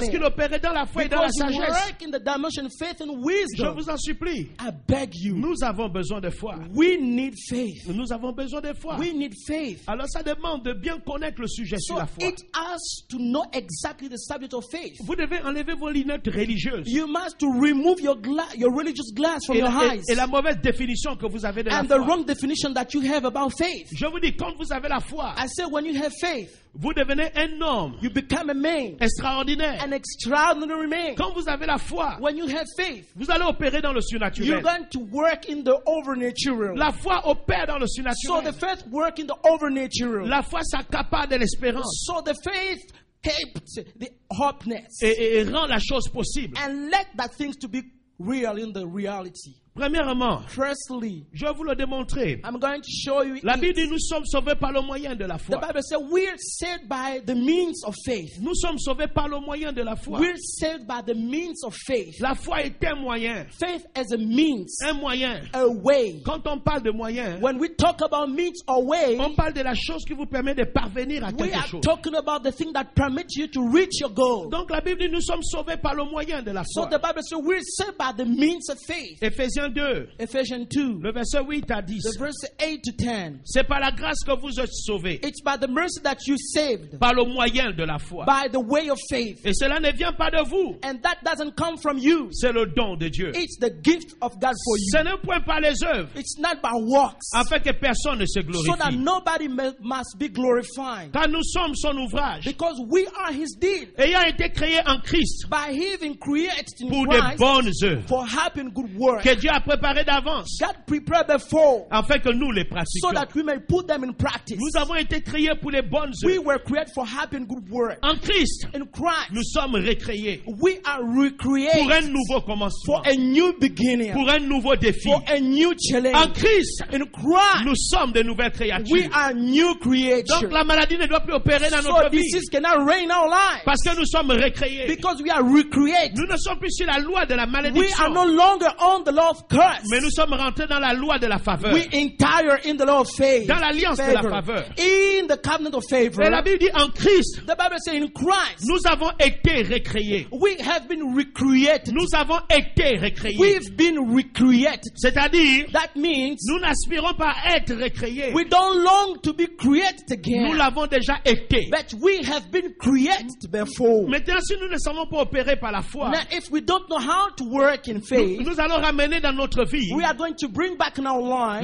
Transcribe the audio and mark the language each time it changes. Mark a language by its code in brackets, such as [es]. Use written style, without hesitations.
[fr] Parce qu'il opérait dans la foi et dans la sagesse. [en] Because you work in the dimension of faith and wisdom. [fr] Je vous en supplie. [en] I beg you. [fr] Nous avons besoin de foi. [en] We need faith. [fr] Nous avons besoin de foi. [en] We need faith. [fr] Alors ça demande de bien connaître le sujet [en] so [fr] sur la foi. [en] It asks to know exactly the subject of faith. [fr] Vous devez enlever vos lunettes religieuses. [en] You must to remove your religious glass from [fr] et, [en] your eyes. [fr] Et la mauvaise définition que vous avez de [en] and [fr] la foi. [en] And the wrong definition that you have about faith. [fr] Je vous dis quand vous avez la foi. [en] I say when you have faith. [fr] Vous devenez un homme. [en] You become a man. [fr] Extraordinaire. [en] An extraordinary man. [fr] Quand vous avez la foi. [en] When you have faith. [fr] Vous allez opérer dans le surnaturel. [en] You're going to work in the overnatural. [fr] La foi opère dans le surnaturel. [en] So the faith works in the overnatural. [fr] La foi s'accapare de l'espérance. [en] So the faith kept the hopeness. [fr] Et rend la chose possible. [en] And let that things to be real in the reality. [fr] Premièrement, [en] firstly, [fr] je vais vous le démontrer. [en] I'm going to show you [fr] la Bible [en] it. [fr] Dit nous sommes sauvés par le moyen de la foi. [en] The Bible says we're saved by the means of faith. [fr] Nous sommes sauvés par le moyen de la foi. [en] We're saved by the means of faith. [fr] La foi est un moyen. [en] Faith is a means. [fr] Un moyen. [en] A way. [fr] Quand on parle de moyen, [en] when we talk about means or way, [fr] on parle de la chose qui vous permet de parvenir à quelque chose. [en] We are talking about the thing that permits you to reach your goal. [fr] Donc la Bible dit nous sommes sauvés par le moyen de la foi. [en] So the Bible says we're saved by the means of faith. [fr] Ephésiens 2, [en] Ephesians 2, [fr] le verset 8 à 10. [en] The verse 8 to 10. [fr] C'est par la grâce que vous êtes sauvés. [en] It's by the mercy that you saved. [fr] Par le moyen de la foi. [en] By the way of faith. [fr] Et cela ne vient pas de vous. [en] And that doesn't come from you. [fr] C'est le don de Dieu. [en] It's the gift of God for you. [fr] Ce n'est point par les œuvres. [en] It's not by works. [fr] Afin que personne ne se glorifie. [en] So that nobody must be glorified. [fr] Car nous sommes son ouvrage. [en] Because we are his deed. [fr] Ayant été créés en Christ. [en] By having created in [fr] pour [en] Christ. [fr] Pour de bonnes œuvres. [en] For happy good works. [fr] Que Dieu Dieu a préparé d'avance afin que nous les pratiquions. [en] So that we may put them in practice. [fr] Nous avons été créés pour les bonnes œuvres. [en] We were created for happy and good work. [fr] En Christ, [en] in Christ, [fr] nous sommes recréés. [en] We are recreated [fr] pour un nouveau commencement. [en] For a new beginning. [fr] Pour un nouveau défi. [en] For a new challenge. [fr] En Christ, [en] in Christ, [fr] nous sommes de nouvelles créatures. [en] We are new creatures. [fr] Donc la maladie ne doit plus opérer dans notre vie. [en] So disease cannot reign in our lives. [fr] Parce que nous sommes recréés. [en] Because we are recreated. [fr] Nous ne sommes plus sur la loi de la malédiction. [en] We are no longer on the law of curse. [fr] Mais nous sommes rentrés dans la loi de la faveur. [en] We entire in the law of faith. [fr] Dans l'alliance de la faveur. [en] In the covenant of favor. [fr] Et la Bible dit en Christ. [en] The Bible says in Christ. [fr] Nous avons été recréés. [en] We have been recreated. [fr] Nous avons été recréés. [en] We've been recreated. [fr] C'est-à-dire. [en] That means. [fr] Nous n'aspirons pas à être recréés. [en] We don't long to be created again. [fr] Nous l'avons déjà été. [en] But we have been created before. [fr] Maintenant, si nous ne savons pas opérer par la foi. [en] Now, if we don't know how to work in faith. [fr] Nous allons ramener dans notre vie. [en] We are going to bring back in our life.